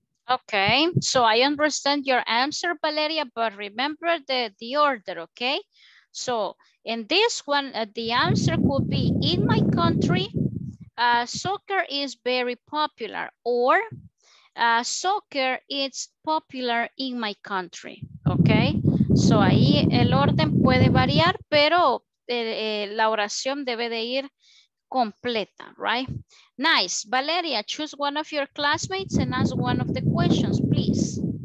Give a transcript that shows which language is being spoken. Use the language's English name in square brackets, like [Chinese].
[English] Okay, so I understand your answer, Valeria, but remember the order, okay? So in this one, the answer could be, in my country, soccer is very popular, or soccer is popular in my country, okay? [Spanish] So ahí el orden puede variar, pero la oración debe de ir completa, right? [English] Nice. Valeria, choose one of your classmates and ask one of the questions, please.